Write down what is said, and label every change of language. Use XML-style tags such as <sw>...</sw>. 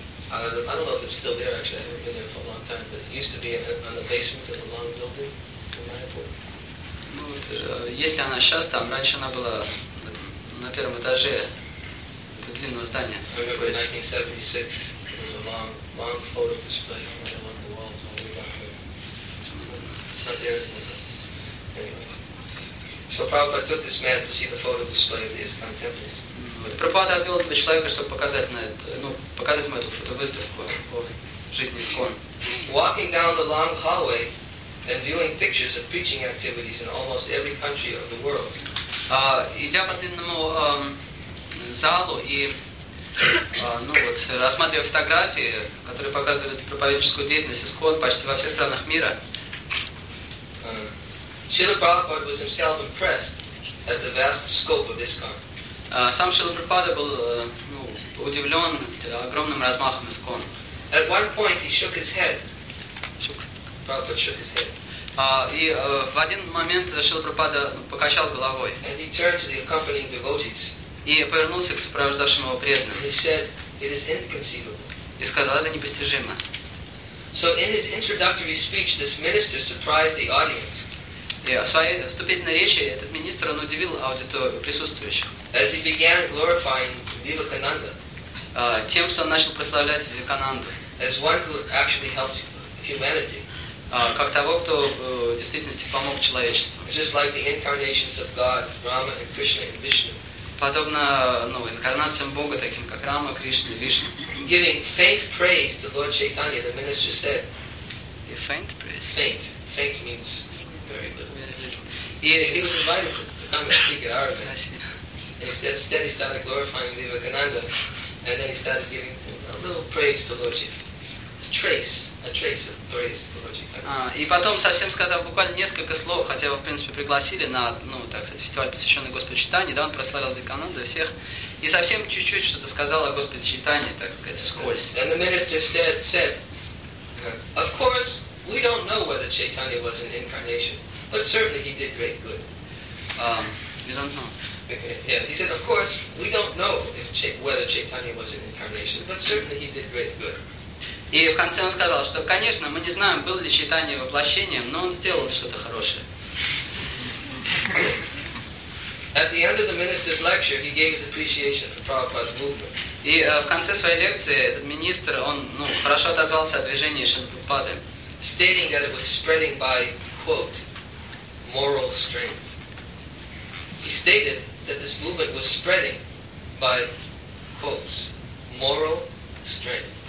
<en>I don't know if it's still there, actually. I haven't been there for a long time, but it used to be on the basement of a long building in Mayapur.</en> <ru>Ну, вот, если она сейчас там, раньше она была на первом этаже этого длинного здания.</ru> <en>I remember in 1976, it was a long photo display right along the walls all the way back there. It's not there anymore. So Prabhupada took this man to see the photo display of the ISKCON temples.</en> <ru>Прабхупада отвел этого человека, чтобы показать на это, ну, показать ему эту фотовыставку о жизни ISKCON.</ru> <en>Walking down the long hallway and viewing pictures of preaching activities in almost every country of the world.</en> <ru>Идя по длинному залу и ну вот рассматривая фотографии, которые показывают проповедческую деятельность ISKCON почти во всех странах мира.</ru> <en>Srila Prabhupada was himself impressed at the vast scope of ISKCON.</en> <ru>Сам Шрила Прабхупада был удивлен огромным размахом ISKCON.</ru> <en>At one point he shook his head. Prabhupada shook his head.</en> <ru>В один момент Шрила Прабхупада покачал головой.</ru> <en>And he turned to the accompanying devotees.</en> <ru>И повернулся к сопровождавшим его преданным.</ru> <en>And he said, "It is inconceivable."</en> <ru>И сказал, это непостижимо.</ru> <en>So in his introductory speech, this minister surprised the audience.</en> <ru>И в своей вступительной речи этот министр, он удивил аудиторию присутствующих.</ru> <en>As he began glorifying Vivekananda,</en> <ru>тем, что он начал прославлять Вивекананду.</ru> <en>As one who actually helped humanity.</en> <ru>Как того, кто в действительности помог человечеству.</ru> <en>Just like the incarnations of God, Rama and Krishna and Vishnu.</en> <ru>Подобно инкарнациям Бога, таким как Рама, Кришна, Вишна.</ru> <en>Giving faint praise to Lord Chaitanya, the minister said. Faint praise? Faint. Faint means very little. He was invited to come and speak at Aravind. Instead he started glorifying Vivekananda. And then he started giving a little praise to Lord Chaitanya. A trace of praise to Lord Chaitanya.</en> <ru>И потом, совсем сказав буквально несколько слов, хотя его, в принципе, пригласили на, фестиваль, посвященный Господу Читании, да, он прославил Вивекананду всех, и совсем чуть-чуть что-то сказал о Господе Читании, вскользь.</ru> <en>And the minister said, of course, we don't know whether Chaitanya was an incarnation, but certainly he did great good. We don't know. Yeah, he said, of course, we don't know whether Chaitanya was an incarnation, but certainly he did great good.</en> <ru>И в конце он сказал, что, конечно, мы не знаем, было ли Чайтанья воплощением, но он сделал что-то хорошее.</ru> <en>At the end of the minister's lecture, he gave his appreciation for Prabhupada's movement.</en> <ru>И в конце своей лекции этот министр, он, хорошо отозвался о движении Шанпупады.</ru> <en>Stating that it was spreading by, quote, moral strength. He stated that this movement was spreading by, quotes, moral strength.</en>